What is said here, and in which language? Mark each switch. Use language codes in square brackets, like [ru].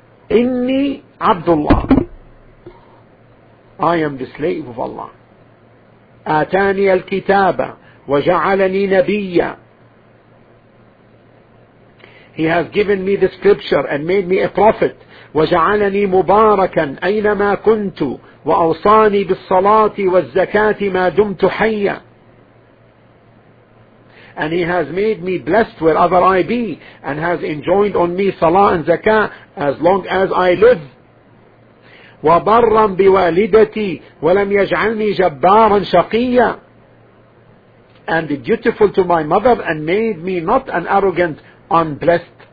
[ar] إِنِّي عَبْدُ اللَّهِ, [en] I am the slave of Allah. [ar] آتاني الكتاب وجعلني نبيا, [en] He has given me the scripture and made me a prophet. [ar] وجعلني مباركا أينما كنت وأوصاني بالصلاة والزكاة ما دمت حيا. [en] And he has made me blessed wherever I be, and has enjoined on me salah and zakah as long as I live. [ar] وَبَرًّا بِوَالِدَتِي وَلَمْ يَجْعَلْنِي جَبَّارًا شَقِيًّا, [en] and dutiful to my mother, and made me not an arrogant unblessed.